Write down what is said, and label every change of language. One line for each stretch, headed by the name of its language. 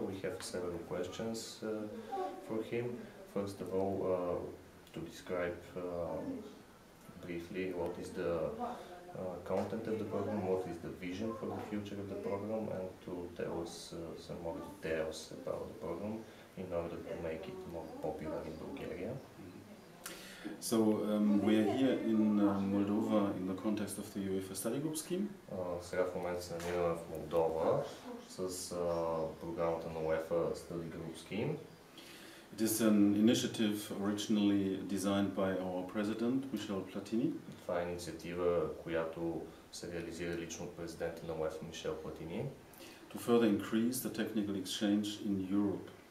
English: We have several questions for him. First of all, to describe briefly what is the content of the program, what is the vision for the future of the program, and to tell us some more details about the program in order to make it more popular in Bulgaria. So we are here in Moldova in the context of the UEFA study group scheme.
Bulgarian: Сега в момента се намираме в Молдова с програмата на UEFA study group scheme.
English: It is an initiative originally designed by our president Michel Platini.
Bulgarian: Това е инициатива, която се реализира лично от президента на UEFA Michel Platini.
English: To further increase the technical exchange in Europe.